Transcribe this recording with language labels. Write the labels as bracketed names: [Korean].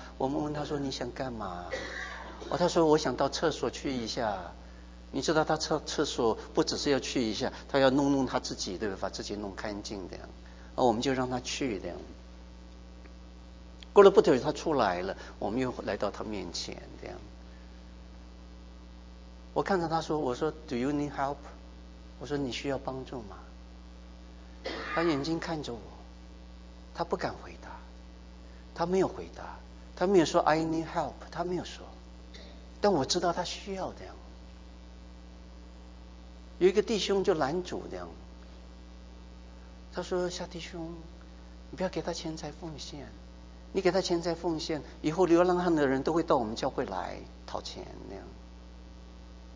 [Chinese] 我们问她说：“你想干嘛？” 哦，她说：“我想到厕所去一下。” 你知道她厕所不只是要去一下，她要弄弄她自己，对不对？把自己弄干净的。哦，我们就让她去的。过了不久，她出来了，我们又来到她面前的。我看着她说：“我说 ， [English] Do you need help？” [Chinese] 我说：“你需要帮助吗？” 他眼睛看着我，他不敢回答，他没有回答，他没有说 [English] I need help， [Chinese] 他没有说，但我知道他需要的。有一个弟兄就拦阻的，他说：“夏弟兄，你不要给他钱财奉献，你给他钱财奉献，以后流浪汉的人都会到我们教会来讨钱那样。”